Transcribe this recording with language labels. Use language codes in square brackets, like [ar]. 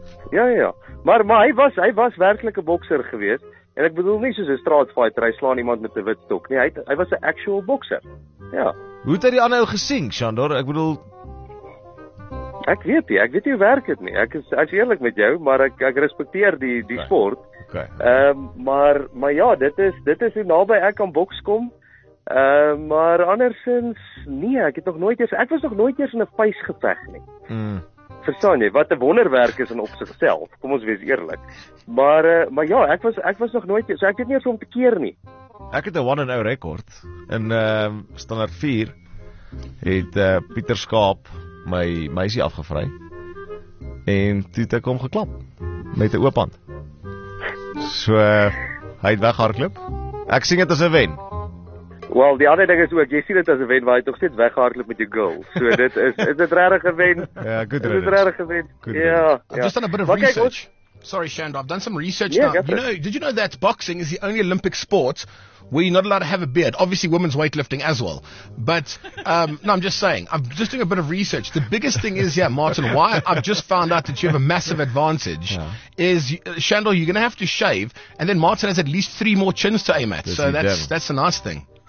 [af] Ja. Maar hy was werklik 'n bokser gewees. En ek bedoel nie soos 'n straatfighter, hy slaan iemand met 'n wit stok nie. Hy was 'n actual bokser. Ja. Hoe het hy die ander ou gesien, Shandor? Ek bedoel, ek weet nie hoe werk dit nie. Ek is eerlik met jou, maar ek respekteer die sport. Okay. Maar ja, dit is hoe naby ek aan boks kom. Maar andersins nee, ek was nog nooit eens in 'n vuis geveg nie. Verstaan jy, wat 'n wonderwerk is in op sigself, kom ons wees eerlik. Maar ja, ek was nog nooit, so ek het nie eens om te keer nie. Ek het 'n 1-0 rekord, in standaard 4, het Pieter Skaap my meisie afgevry, en toe het ek hom geklap, met 'n oop hand. So, hy het weghardloop, ek sien dit as 'n wen. Wel, die ander ding is ook, jy sien dit as 'n wen, waar jy tog steeds weghardloop met jou girl. So dit is regtig 'n wen. Ja, goed reg. Dit is regtig 'n wen. Ja. [en] I've just done a bit of research. Sorry, Shandor, I've done some research now. You know, did you know that boxing is the only Olympic sport where you're not allowed to have a beard? Obviously, women's weightlifting as well. But, no, I'm just saying, I'm just doing a bit of research. The biggest thing is, Martin, why I've just found out that you have a massive advantage is, Shandor, you're going to have to shave, and then Martin has at least 3 more chins to aim at. So that's a nice thing.